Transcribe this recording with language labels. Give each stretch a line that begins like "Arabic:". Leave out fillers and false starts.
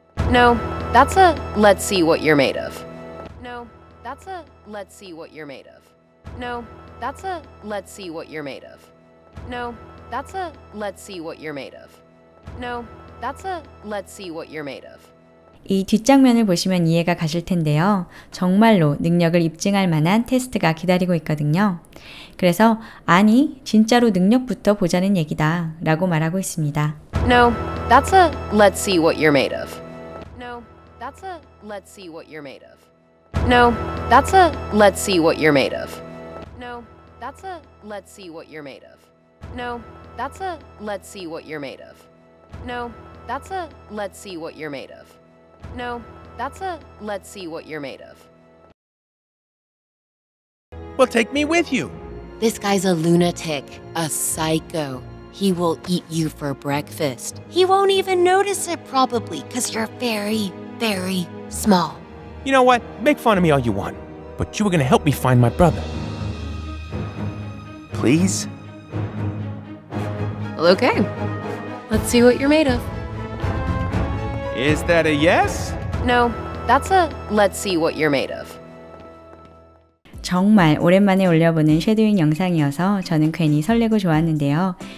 English: No, that's a let's see what you're made of. No, that's a let's see what you're made of. No, that's a let's see what you're made of. No, that's a let's see what you're made of. No, that's a let's see what you're made of.
Korean: 이 뒷장면을 보시면 이해가 가실 텐데요. 정말로 능력을 입증할 만한 테스트가 기다리고 있거든요. 그래서 아니, 진짜로 능력부터 보자는 얘기다 라고 말하고 있습니다.
English: No, that's a let's see what you're made of. That's a let's see what you're made of. No, that's a let's see what you're made of. No, that's a let's see what you're made of. No, that's a let's see what you're made of. No, that's a let's see what you're made of. No, that's a let's see what you're made of. Well, take me with you. This guy's a lunatic, a psycho. He will eat you for breakfast. He won't even notice it probably because you're very... very small. You know what? Make fun of me all you want, but you were gonna help me find my brother. Please? Okay. Let's see what you're made of. Is that a yes? No, that's a let's see what you're made of.
Korean: 정말 오랜만에 올려보는 쉐도잉 영상이어서 저는 괜히 설레고 좋았는데요.